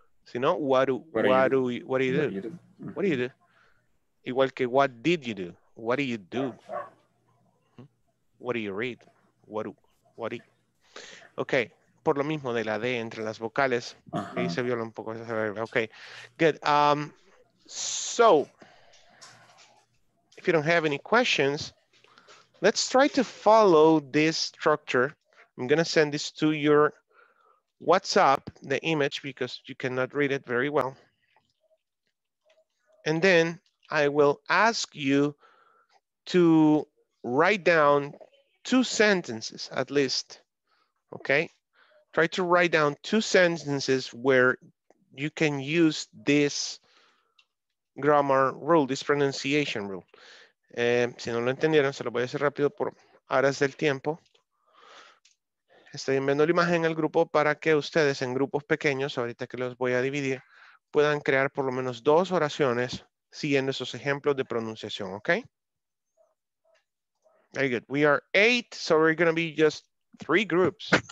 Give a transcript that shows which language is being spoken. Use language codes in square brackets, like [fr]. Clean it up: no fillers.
[en] Sino, what do you do? Uh-huh. What do you do? [es] Igual que, [en] what did you do? What do you do? What do you read? [es] Okay, por lo mismo de la D entre las vocales. Uh-huh. Y se viola un poco esa verba. [en] Okay, good. So, if you don't have any questions, let's try to follow this structure. I'm going to send this to your WhatsApp, the image, because you cannot read it very well. And then I will ask you to write down two sentences at least, okay? Try to write down two sentences where you can use this grammar rule, this pronunciation rule. [es] Si no lo entendieron, se lo voy a hacer rápido por aras del tiempo. Estoy enviando la imagen al grupo para que ustedes en grupos pequeños, ahorita que los voy a dividir, puedan crear por lo menos dos oraciones siguiendo esos ejemplos de pronunciación, okay? [en] Very good. We are 8, so we're going to be just 3 groups.